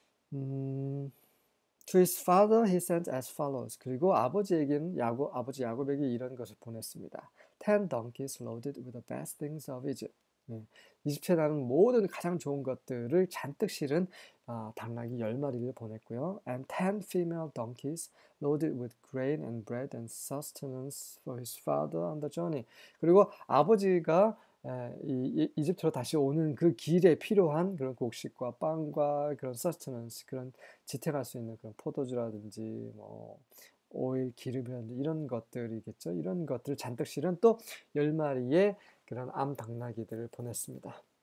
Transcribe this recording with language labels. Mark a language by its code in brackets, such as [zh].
[en] 'To his father he sent as follows.' [ko] 그리고 아버지 야곱에게 이런 것을 보냈습니다. [en] 'Ten donkeys loaded with the best things of Egypt.' [ko] 이집트에 나는 모든 가장 좋은 것들을 잔뜩 실은 당나귀 10마리를 보냈고요. [en] 'And ten female donkeys loaded with grain and bread and sustenance for his father on the journey.' [ko] 그리고 아버지가 이집트로 다시 오는 그 길에 필요한 그런 곡식과 빵과 그런 서스터넌스 그런 지탱할 수 있는 그런 포도주라든지 뭐 오일, 기름이라든지 이런 것들이겠죠. 이런 것들을 잔뜩 실은 또열 마리의 그런 암 당나귀들을 보냈습니다.